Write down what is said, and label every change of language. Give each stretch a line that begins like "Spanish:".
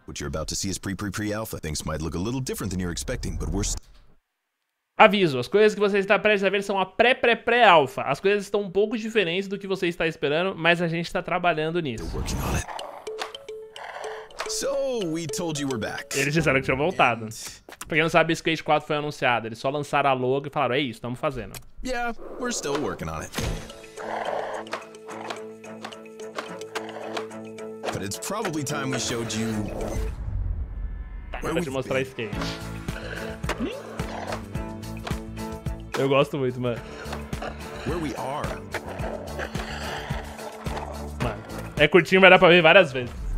English: What you're about to see is pre-alpha. Things might look a little different than you're expecting, but we're...
Portuguese: Aviso, as coisas que você está prestes a ver são a pré-alpha. As coisas estão um pouco diferentes do que você está esperando, mas a gente está trabalhando nisso.
English: So, we told you we're back.
Portuguese: Eles disseram que tinham voltado. And... pra quem não sabe, Skate 4 foi anunciado. Eles só lançaram a logo e falaram, é isso, estamos fazendo.
English: Yeah, we're still working on it. But it's probably time we showed you...
Portuguese: Tá, eu vou te mostrar Skate. Eu gosto muito, mano.
English: Where we are.
Portuguese: Mano, é curtinho, mas dá pra ver várias vezes.